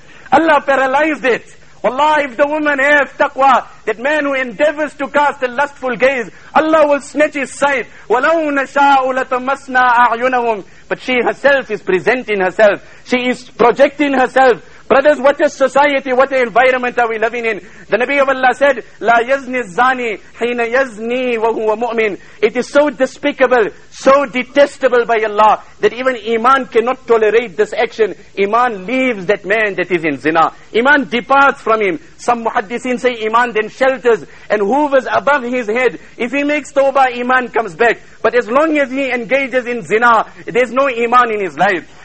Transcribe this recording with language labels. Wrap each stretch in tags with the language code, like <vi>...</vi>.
<en>Allah paralyzed it. Wallah, if the woman have taqwa, that man who endeavors to cast a lustful gaze, Allah will snatch his sight.</en> <ar>وَلَوْ نَشَاءُ لَتَمَسْنَا أَعْيُنَهُمْ.</ar> <en>But she herself is presenting herself. She is projecting herself. Brothers, what a society, what an environment are we living in? The Nabi of Allah said,</en> <ar>لَا يَزْنِ الزَّانِي حِينَ يَزْنِي وَهُوَ مُؤْمِنِ.</ar> <en>It is so despicable, so detestable by Allah, that even iman cannot tolerate this action. Iman leaves that man that is in zina. Iman departs from him. Some muhaddisin say iman then shelters and hovers above his head. If he makes tawbah, iman comes back. But as long as he engages in zina, there's no iman in his life.</en>